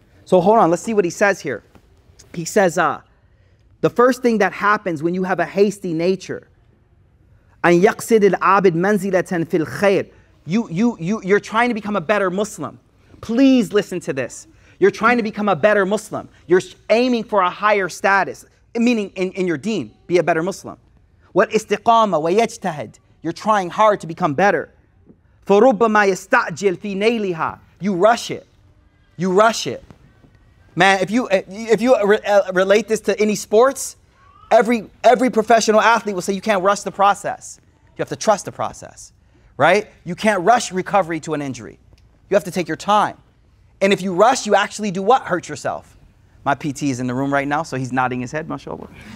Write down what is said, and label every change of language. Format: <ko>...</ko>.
<en>So hold on, let's see what he says here. He says, the first thing that happens when you have a hasty nature,</en> <ar>an yaqsid al-abid manzilatan fil khair,</ar> <en>you're trying to become a better Muslim. Please listen to this. You're trying to become a better Muslim. You're aiming for a higher status, meaning in your deen, be a better Muslim.</en> <ar>Wa istiqama wa yajtahid,</ar> <en>you're trying hard to become better.</en> <ar>فَرُبَّمَا يَسْتَعْجِلْ فِي نَيْلِهَا,</ar> <en>you rush it. You rush it. Man, if you relate this to any sports, every professional athlete will say you can't rush the process. You have to trust the process, right? You can't rush recovery to an injury. You have to take your time. And if you rush, you actually do what? Hurt yourself. My PT is in the room right now, so he's nodding his head, mashallah.</en>